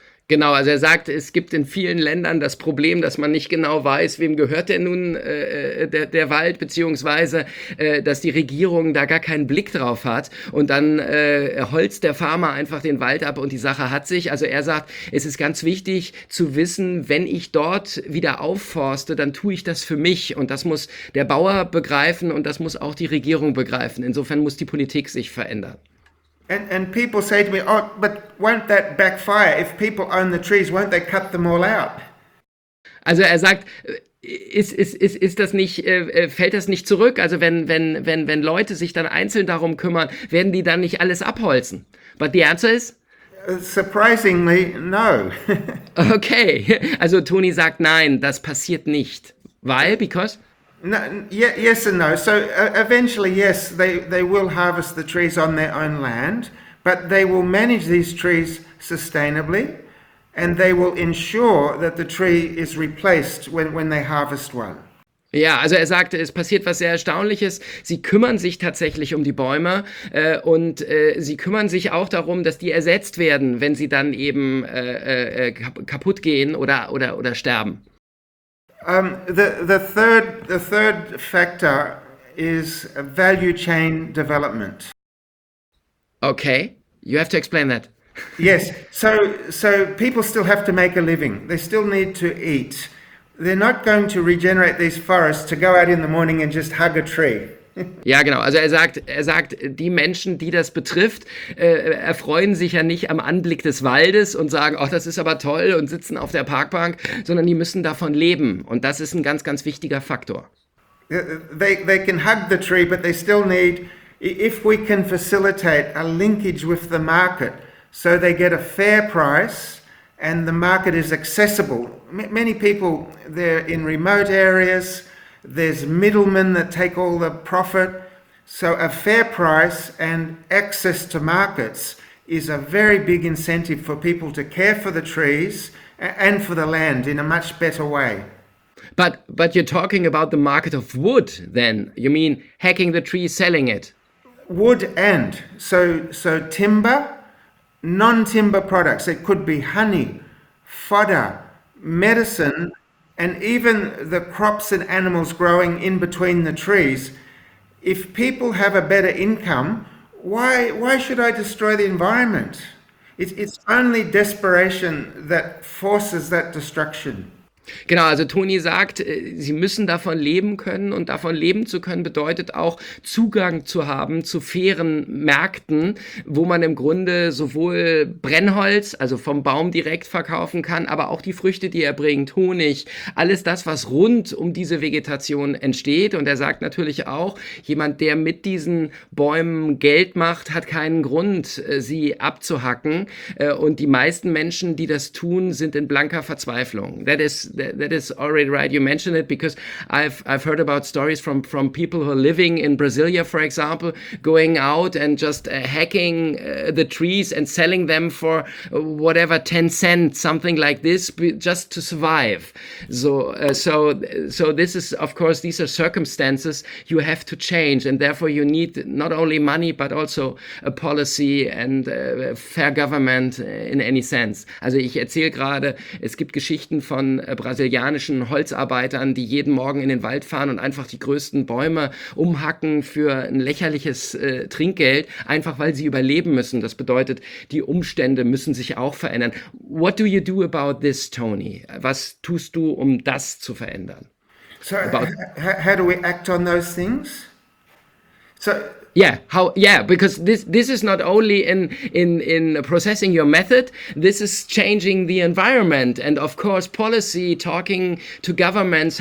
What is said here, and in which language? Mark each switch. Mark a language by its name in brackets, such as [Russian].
[German] Genau, also er sagt, es gibt in vielen Ländern das Problem, dass man nicht genau weiß, wem gehört denn nun der Wald, beziehungsweise dass die Regierung da gar keinen Blick drauf hat und dann holzt der Farmer einfach den Wald ab und die Sache hat sich. Also er sagt, es ist ganz wichtig zu wissen, wenn ich dort wieder aufforste, dann tue ich das für mich und das muss der Bauer begreifen und das muss auch die Regierung begreifen. Insofern muss die Politik sich verändern. [English] And people say to me, oh, but won't that backfire? If people own the trees, won't they cut them all out? [German] Also er sagt, ist das nicht, fällt das nicht zurück? Also wenn Leute sich dann einzeln darum kümmern, werden die dann nicht alles abholzen? [English] But the answer is? Surprisingly, no. [German] Okay, also Tony sagt, nein, das passiert nicht. [English] Why? Because? No, yes and no. So eventually, yes, they will harvest the trees on their own land, but they will manage these trees sustainably and they will ensure that the tree is replaced when they harvest one. [German] Ja, also er sagte, es passiert was sehr Erstaunliches. Sie kümmern sich tatsächlich um die Bäume und sie kümmern sich auch darum, dass die ersetzt werden, wenn sie dann eben kaputt gehen oder sterben. [English] The third factor is value chain development. Okay, you have to explain that. Yes, so people still have to make a living. They still need to eat. They're not going to regenerate these forests to go out in the morning and just hug a tree. [German] Ja, genau. Also er sagt, die Menschen, die das betrifft, erfreuen sich ja nicht am Anblick des Waldes und sagen, ach, das ist aber toll und sitzen auf der Parkbank, sondern die müssen davon leben. Und das ist ein ganz, ganz wichtiger Faktor. [English] They can hug the tree, but they still need, if we can facilitate a linkage with the market, so they get a fair price and the market is accessible. Many people, they're in remote areas. There's middlemen that take all the profit. So a fair price and access to markets is a very big incentive for people to care for the trees and for the land in a much better way. But you're talking about the market of wood then. You mean hacking the tree, selling it? Wood and. So timber, non-timber products. It could be honey, fodder, medicine, and even the crops and animals growing in between the trees. If people have a better income, why should I destroy the environment? It's only desperation that forces that destruction. [German] Genau, also Toni sagt, sie müssen davon leben können und davon leben zu können bedeutet auch Zugang zu haben zu fairen Märkten, wo man im Grunde sowohl Brennholz, also vom Baum direkt verkaufen kann, aber auch die Früchte, die er bringt, Honig, alles das, was rund um diese Vegetation entsteht. Und er sagt natürlich auch, jemand, der mit diesen Bäumen Geld macht, hat keinen Grund, sie abzuhacken. Und die meisten Menschen, die das tun, sind in blanker Verzweiflung. [English] That is already right. You mentioned it because I've heard about stories from people who are living in Brasilia, for example, going out and just hacking the trees and selling them for whatever 10 cents, something like this, just to survive. So this is, of course, these are circumstances you have to change, and therefore you need not only money but also a policy and fair government in any sense. [German] Also ich erzähle gerade, es gibt Geschichten von brasilianischen Holzarbeitern, die jeden Morgen in den Wald fahren und einfach die größten Bäume umhacken für ein lächerliches Trinkgeld, einfach weil sie überleben müssen. Das bedeutet, die Umstände müssen sich auch verändern. [English] What do you do about this, Tony? [German] Was tust du, um das zu verändern? [English] So, how do we act on those things? So, because this is not only in processing your method, this is changing the environment and of course policy, talking to governments.